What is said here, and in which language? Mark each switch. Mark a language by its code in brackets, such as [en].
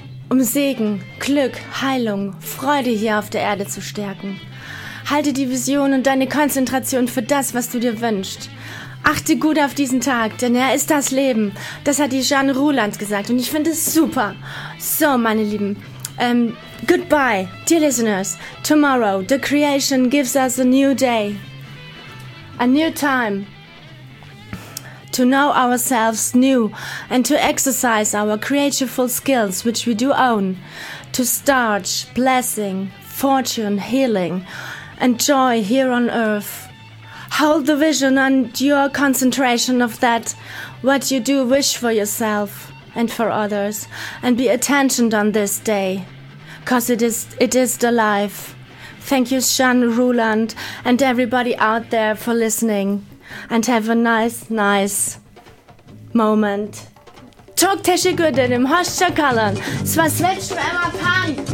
[de] Um Segen, Glück, Heilung, Freude hier auf der Erde zu stärken. Halte die Vision und deine Konzentration für das, was du dir wünschst. Achte gut auf diesen Tag, denn er ist das Leben. Das hat die Jeanne Ruhland gesagt und ich finde es super. So, meine Lieben, [en] goodbye, dear listeners. Tomorrow, the creation gives us a new day. A new time to know ourselves new and to exercise our creative skills, which we do own. To start blessing, fortune, healing, and joy here on earth. Hold the vision and your concentration of that what you do wish for yourself and for others, and be attentioned on this day, cause it is the life. Thank you, Jeanne Ruhland, and everybody out there for listening, and have a nice moment. Talk Tische Gürtel im Hostschakalern. Es war Switch für Emma Pang.